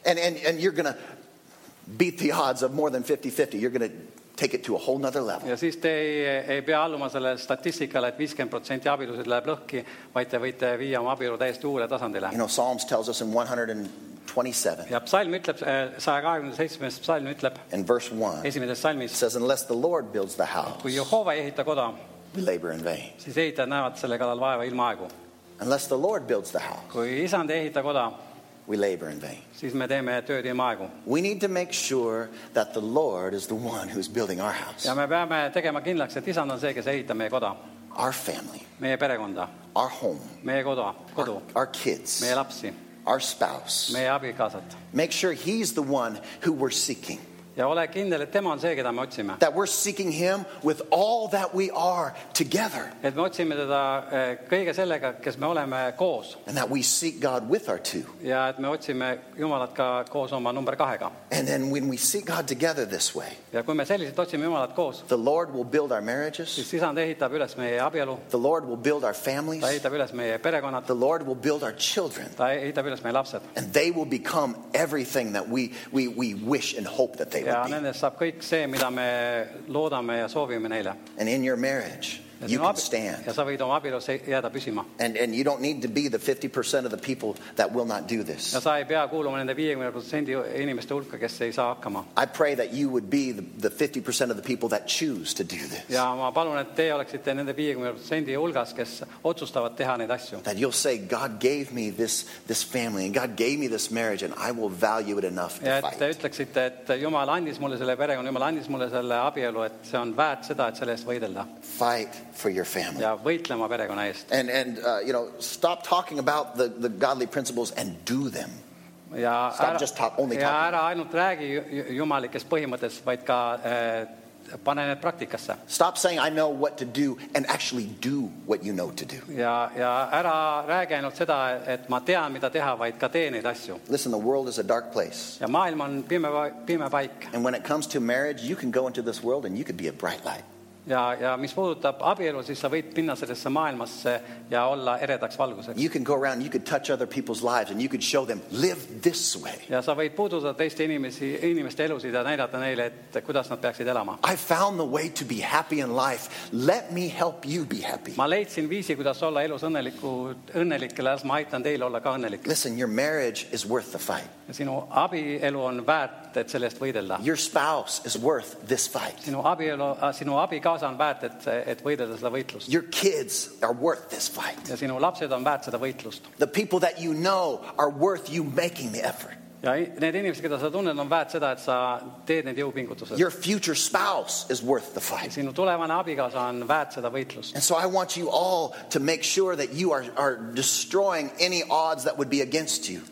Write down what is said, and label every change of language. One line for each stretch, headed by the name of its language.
English: And you're going to beat the odds of more than 50-50. You're going to take it to a whole nother level.
Estonian: Ja siis te ei pea alluma selle statistikale, et 50% abielusid läheb lõhki, vaid te võite viia oma abielu täiesti uule tasandile.
English: You know, Psalms tells us in 127.
Estonian: Ja psalm ütleb, 127. psalm ütleb.
English: In verse 1. Says, unless the Lord builds the house.
Estonian: Kui Jehova ei ehita koda.
English: We labor in vain.
Estonian: Siis ehitajad näevad selle kallal vaeva ilma aegu.
English: Unless the Lord builds the house.
Estonian: Kui isand ei ehita koda.
English: We labor in vain.
Estonian: Siis me teeme tööd ilma aegu.
English: We need to make sure that the Lord is the one who is building our house.
Estonian: Ja me peame tegema kindlaks, et isand on see, kes ehitab meie koda.
English: Our family.
Estonian: Meie perekonda.
English: Our home.
Estonian: Meie koda. Kodu.
English: Our kids.
Estonian: Meie lapsi.
English: Our spouse.
Estonian: Meie abikaasat.
English: Make sure he's the one who we're seeking.
Estonian: Ja ole kindel, et tema on see, keda me otsime.
English: That we're seeking him with all that we are together.
Estonian: Et me otsime teda kõige sellega, kes me oleme koos.
English: And that we seek God with our two.
Estonian: Ja et me otsime Jumalat ka koos oma number kahega.
English: And then when we seek God together this way.
Estonian: Ja kui me selliselt otsime Jumalat koos.
English: The Lord will build our marriages.
Estonian: Siis isand ehitab üles meie abielu.
English: The Lord will build our families.
Estonian: Ta ehitab üles meie perekonnad.
English: The Lord will build our children.
Estonian: Ta ehitab üles meie lapsed.
English: And they will become everything that we wish and hope that they.
Estonian: Ja nendest saab kõik see, mida me loodame ja soovime neile.
English: And in your marriage, you can stand.
Estonian: Ja sa võid oma abielus jääda püsima.
English: And you don't need to be the 50% of the people that will not do this.
Estonian: Ja sa ei pea kuuluma nende 50% inimeste hulka, kes ei saa hakkama.
English: I pray that you would be the 50% of the people that choose to do this.
Estonian: Ja ma palun, et te oleksite nende 50% hulgas, kes otsustavad teha neid asju.
English: That you'll say, God gave me this family and God gave me this marriage and I will value it enough to fight.
Estonian: Ja te ütleksite, et Jumal andis mulle selle perekonna, Jumal andis mulle selle abielu, et see on väärt seda, et sellest võidelda.
English: Fight for your family.
Estonian: Ja võitlema perekonna eest.
English: And stop talking about the godly principles and do them.
Estonian: Ja
English: stop
Estonian: ära,
English: just only
Estonian: ja ära ainult räägi jumalikes põhimõttes, vaid ka pane need praktikasse.
English: Stop saying I know what to do and actually do what you know to do.
Estonian: Ja ära räägi ainult seda, et ma tean, mida teha, vaid ka tee neid asju.
English: Listen, the world is a dark place.
Estonian: Ja maailm on pime paik.
English: And when it comes to marriage, you can go into this world and you could be a bright light.
Estonian: Ja mis puudutab abielu, siis sa võid minna sellesse maailmasse ja olla eredaks valguseks.
English: You can go around, you could touch other people's lives and you could show them, live this way.
Estonian: Ja sa võid puududa teiste inimeste elusid ja näidata neile, et kuidas nad peaksid elama.
English: I found the way to be happy in life. Let me help you be happy.
Estonian: Ma leidsin viisi, kuidas olla elus õnnelik, las ma aitan teile olla ka õnnelik.
English: Listen, your marriage is worth the fight.
Estonian: Sinu abielu on väärt, et sellest võidelda.
English: Your spouse is worth this fight.
Estonian: Sinu abi kaasa on väärt, et võidelda seda võitlust.
English: Your kids are worth this fight.
Estonian: Ja sinu lapsed on väärt seda võitlust.
English: The people that you know are worth you making the effort.
Estonian: Ja need inimesed, keda sa tunned, on väärt seda, et sa teed need jõupingutused.
English: Your future spouse is worth the fight.
Estonian: Sinu tulevane abikaasa on väärt seda võitlust.
English: And so I want you all to make sure that you are destroying any odds that would be against you.